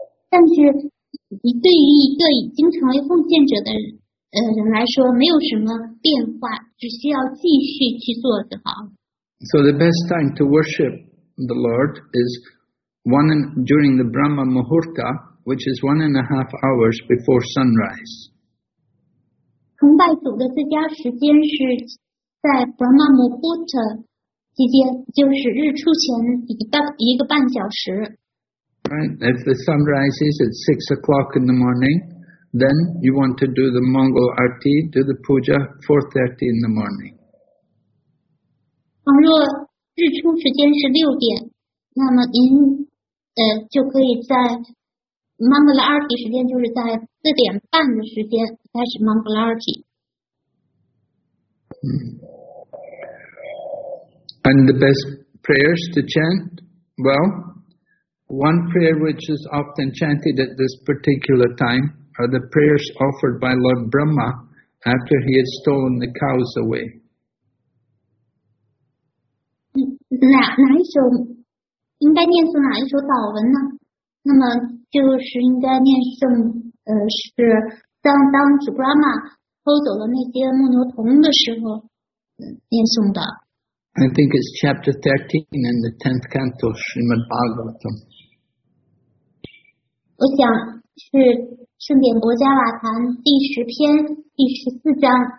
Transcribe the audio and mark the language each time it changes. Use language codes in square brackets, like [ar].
[zh] 但是你对于一个已经成为奉献者的人来说没有什么变化，只需要继续去做就好。 [en] So the best time to worship the Lord is during the Brahma Muhurta, which is 1.5 hours before sunrise. [zh] 崇拜主的最佳时间是在 Brahma Muhurta 期间，就是日出前一个半小时。 [en] Right, if the sun rises at 6 o'clock in the morning, then you want to do the Mangal Arti, do the puja 4:30 in the morning. [zh] 倘若日出时间是6点，那么您就可以在 Mangala Arti 时间，就是在4:30的时间开始 Mangala Arti。 [en] And the best prayers to chant? Well, one prayer which is often chanted at this particular time are the prayers offered by Lord Brahma after he had stolen the cows away. [zh] 哪一首应该念诵哪一首祷文呢？那么就是应该念诵，是当主 Brahma 偷走了那些牧牛童的时候，念诵的。 [en] I think it's chapter 13 in the 10th canto Srimad Bhagavatam. [zh] 我想是圣典薄伽瓦坛第十篇第十四章。